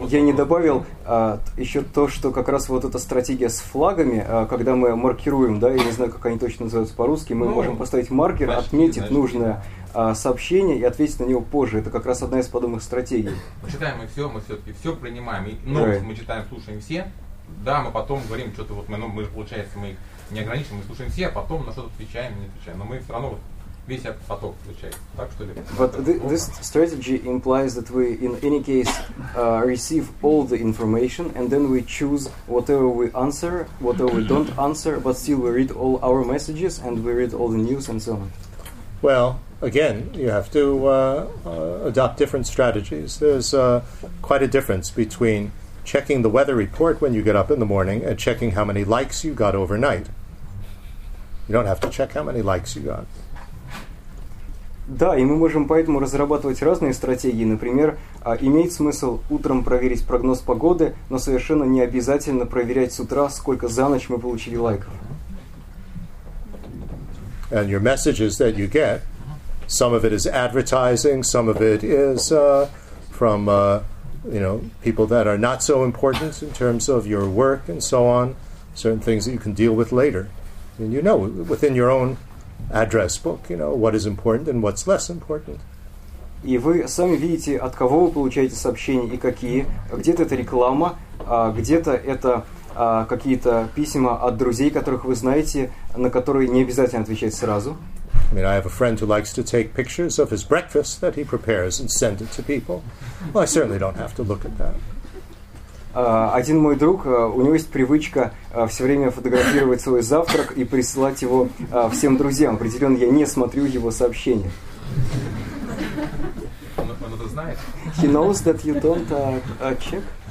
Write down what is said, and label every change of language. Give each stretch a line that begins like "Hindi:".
Russian: Я не добавил еще то, что как раз вот эта стратегия с флагами, когда мы маркируем, да, я не знаю, как они точно называются по-русски, мы можем поставить маркер, почти, отметить нужное сообщение и ответить на него позже. Это как раз одна из подобных стратегий. Мы читаем и все, мы все-таки все принимаем. Мы читаем, слушаем все. Да, мы потом говорим, что-то вот мы получается, мы их не ограничиваем, мы слушаем все, а потом на что-то отвечаем, не отвечаем. Но мы все равно
English: But this strategy implies that we, in any case, receive all the information, and then we choose whatever we answer, whatever we don't answer, but still we read all our messages, and we read all the news, and so on. Well, again, you have to adopt different strategies. There's quite a difference between checking the weather report when you get up in the morning and checking how many likes you got overnight. You don't have to check how many likes you got.
Russian: Да, и мы можем поэтому разрабатывать разные стратегии. Например, имеет смысл утром проверить прогноз погоды, но совершенно не обязательно проверять с утра, сколько за ночь мы получили лайков.
English: And your messages that you get, some of it is advertising, some of it is from you know, people that are not so important in terms of your work and so on, certain things that you can deal with later. And you know, within your own address book, you know, what is important and what's less important.
Russian: И вы сами видите, от кого вы получаете сообщения и какие. Где-то это реклама, где-то это какие-то письма от друзей, которых вы знаете, на которые не обязательно отвечать сразу.
English: I mean, I have a friend who likes to take pictures of his breakfast that he prepares and send it to people. Well, I certainly don't have to look at that.
Russian: Один мой друг, у него есть привычка все время фотографировать свой завтрак и присылать его всем друзьям. Определенно, я не смотрю его сообщения. Он это знает?
English: He knows that you don't check.